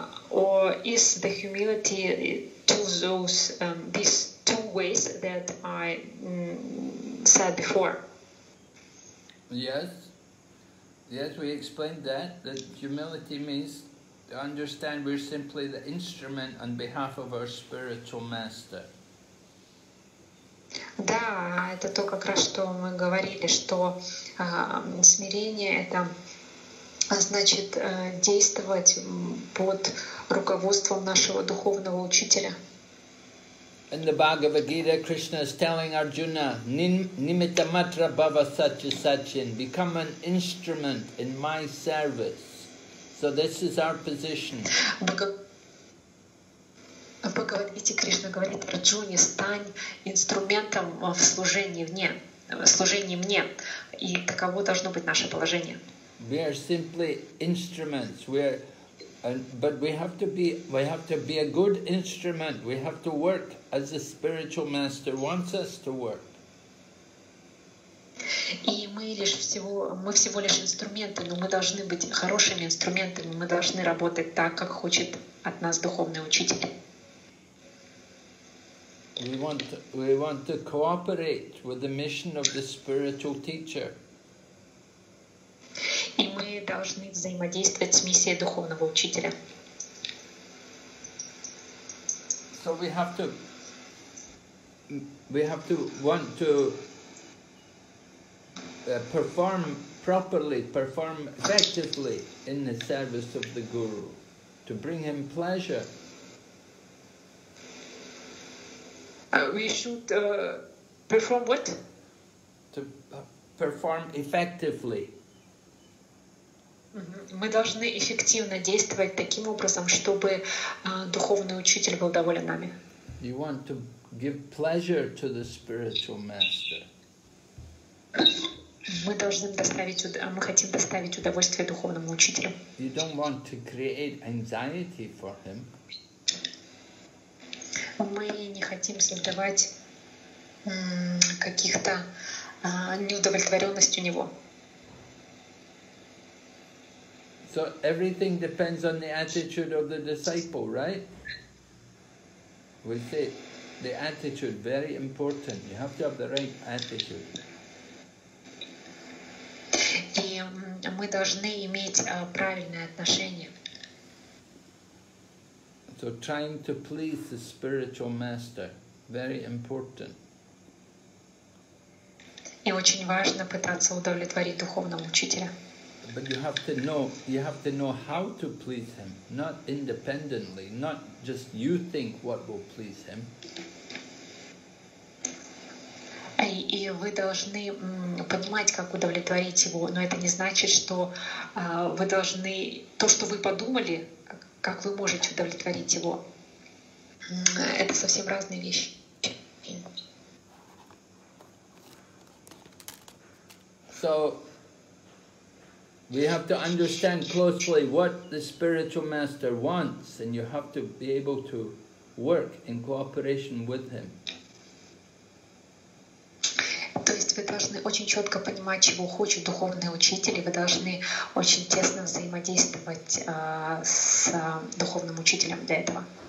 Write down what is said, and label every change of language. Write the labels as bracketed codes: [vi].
[en] Or is the humility to those these two ways that I said before? Yes, we explained that humility means understand we're simply the instrument on behalf of our spiritual master. [ru] Да, это то, как раз что мы говорили, что смирение — это значит действовать под руководством нашего духовного учителя. [en] In the Bhagavad Gita, Krishna is telling Arjuna, [sa] "Nimitta matra bhava satya satyin, [en] become an instrument in my service." So this is our position. [ru] Бхагавад Гите Кришна говорит Арджуне, стань инструментом в служении мне, И таково должно быть наше положение. [en] We are simply instruments. We are, but we have to be a good instrument. We have to work as the spiritual master wants us to work. [ru] И мы всего лишь инструменты, но мы должны быть хорошими инструментами. Мы должны работать так, как хочет от нас духовный учитель. [en] We want to cooperate with the mission of the spiritual teacher. [ru] И мы должны взаимодействовать с миссией духовного учителя. [en] So we have to want to perform properly, perform effectively in the service of the Guru, to bring him pleasure. We should perform what? To perform effectively. [ru] Мы должны эффективно действовать таким образом, чтобы духовный учитель был доволен нами. [en] You want to give pleasure to the spiritual master. [ru] Мы хотим доставить удовольствие духовному учителю. [en] You don't want to create anxiety for him. [ru] Мы не хотим создавать каких-то неудовлетворенность у него. [en] So everything depends on the attitude of the disciple, right? We say the attitude very important. You have to have the right attitude. [ru] И мы должны иметь правильное отношение. [en] So trying to please the spiritual master, very important. [ru] И очень важно пытаться удовлетворить духовному учителя. [en] But you have to know how to please him, not independently, not just you think what will please him. [ru] И вы должны понимать, как удовлетворить его, но это не значит, что вы должны то, что вы подумали. Как вы можете удовлетворить его? Это совсем разные вещи. [en] So we have to understand closely what the spiritual master wants, and you have to be able to work in cooperation with him. [ru] То есть вы должны очень четко понимать, чего хочет духовный учитель, и вы должны очень тесно взаимодействовать с духовным учителем для этого.